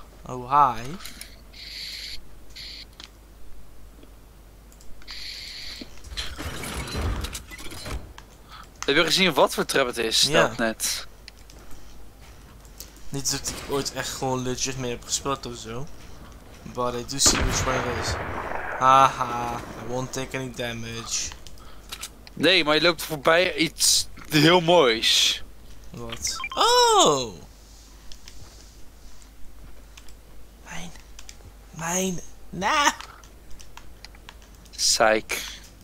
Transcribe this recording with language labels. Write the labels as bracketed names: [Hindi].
[English] Oh, hi. [Dutch] Heb je gezien wat voor trap het is? Ja. Dat net. Niet dat ik ooit echt gewoon legit mee heb gespeeld ofzo. [English] But I do see which one it is. Haha, I won't take any damage. [Dutch] Nee, maar je loopt voorbij iets heel moois. Wat? Oh! Mijn. Nah! [English] Psych.